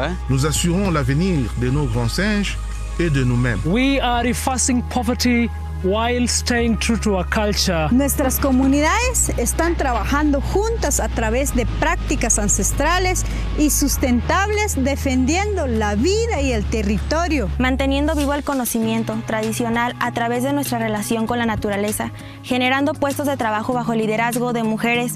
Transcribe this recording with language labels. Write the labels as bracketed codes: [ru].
[fr] Nous assurons l'avenir de nos grands singes et de nous-mêmes. [en] We are reversing poverty while staying true to our culture. [es] Nuestras comunidades están trabajando juntas a través de prácticas ancestrales y sustentables, defendiendo la vida y el territorio. Manteniendo vivo el conocimiento tradicional a través de nuestra relación con la naturaleza, generando puestos de trabajo bajo liderazgo de mujeres